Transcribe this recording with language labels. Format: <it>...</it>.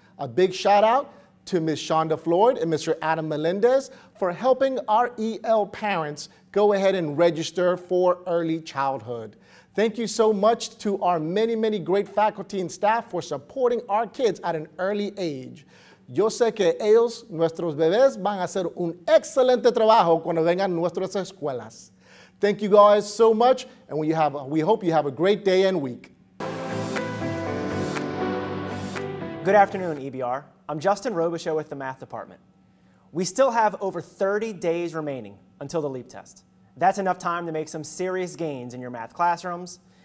<en>A big shout out to Ms. Shonda Floyd and Mr. Adam Melendez for helping our EL parents go ahead and register for early childhood. Thank you so much to our many, many great faculty and staff for supporting our kids at an early age.</en> <es>Yo sé que ellos, nuestros bebés, van a hacer un excelente trabajo cuando vengan nuestras escuelas.</es> <en>Thank you guys so much, and we hope you have a great day and week. Good afternoon, EBR. I'm Justin Robichaud with the math department. We still have over 30 days remaining until the LEAP test. That's enough time to make some serious gains in your math classrooms.</en>